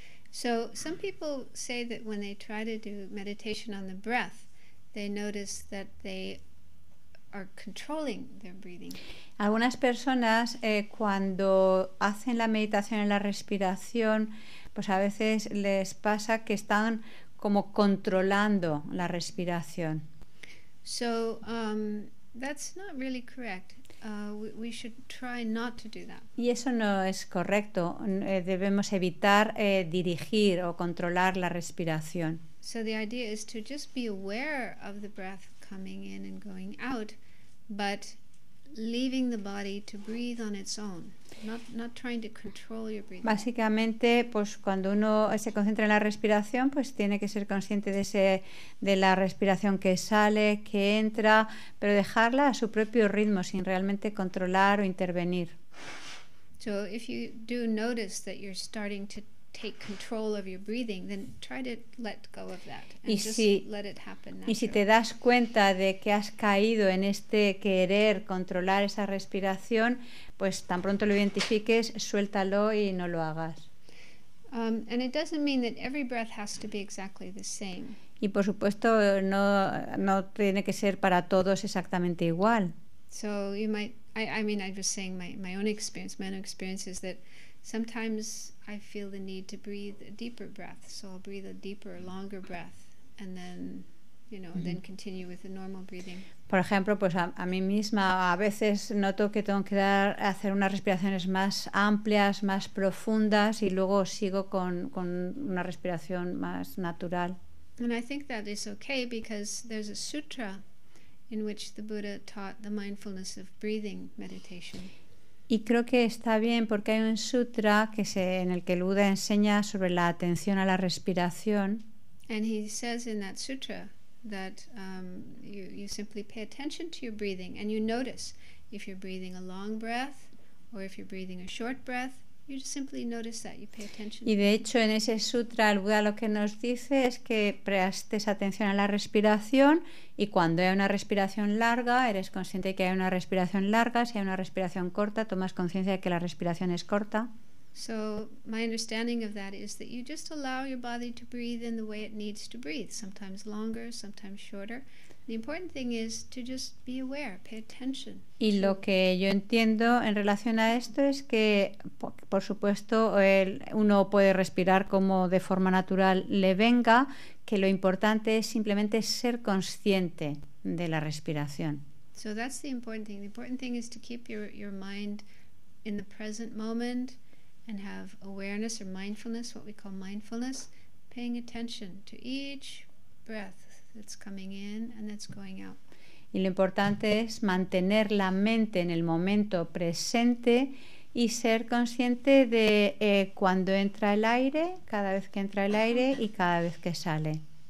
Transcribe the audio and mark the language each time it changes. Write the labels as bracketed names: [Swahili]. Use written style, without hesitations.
[English] So some people say that when they try to do meditation on the breath, they notice that they are controlling their breathing. [Spanish] Algunas personas cuando hacen la meditación en la respiración, pues a veces les pasa que están como controlando la respiración. [English] So that's not really correct. We should try not to do that. [Spanish] Y eso no es correcto. Debemos evitar dirigir o controlar la respiración. [English] So the idea is to just be aware of the breath coming in and going out, but leaving the body to breathe on its own, not trying to control your breathing. [Spanish] Básicamente, pues cuando uno se concentra en la respiración, pues tiene que ser consciente de la respiración que sale, que entra, pero dejarla a su propio ritmo sin realmente controlar o intervenir. [English] So if you do notice that you're starting to take control of your breathing, then try to let go of that and let it happen naturally. [Spanish] Y si te das cuenta de que has caído en este querer controlar esa respiración, pues tan pronto lo identifiques, suéltalo y no lo hagas. [English] And it doesn't mean that every breath has to be exactly the same. [Spanish] Y por supuesto no tiene que ser para todos exactamente igual. [English] So you might, I was saying my own experience is that sometimes I feel the need to breathe a deeper breath, so I'll breathe a deeper, longer breath, and then, you know, then continue with the normal breathing. [Spanish] Por ejemplo, pues a mí misma a veces noto que tengo que hacer unas respiraciones más amplias, más profundas, y luego sigo con una respiración más natural. [English] And I think that is okay because there's a sutra in which the Buddha taught the mindfulness of breathing meditation. [Spanish] Y creo que está bien porque hay un sutra en el que el Buda enseña sobre la atención a la respiración. [English] And he says in that sutra that you simply pay attention to your breathing and you notice if you're breathing a long breath or if you're breathing a short breath, you just simply notice that, you pay attention. [Spanish] Y de hecho en ese sutra el Buda lo que nos dice es que prestes atención a la respiración, y cuando hay una respiración larga eres consciente de que hay una respiración larga, si hay una respiración corta tomas conciencia de que la respiración es corta. [English] So my understanding of that is that you just allow your body to breathe in the way it needs to breathe, sometimes longer, sometimes shorter, The important thing is to just be aware, pay attention. [Spanish] Y lo que yo entiendo en relación a esto es que, por supuesto, uno puede respirar como de forma natural le venga, que lo importante es simplemente ser consciente de la respiración. [English] So that's the important thing. The important thing is to keep your mind in the present moment and have awareness or mindfulness, what we call mindfulness, paying attention to each breath. That's coming in and that's going out. [Spanish] Y lo importante es mantener la mente en el momento presente y ser consciente de cuando entra el aire, cada vez que entra el aire y cada vez que sale.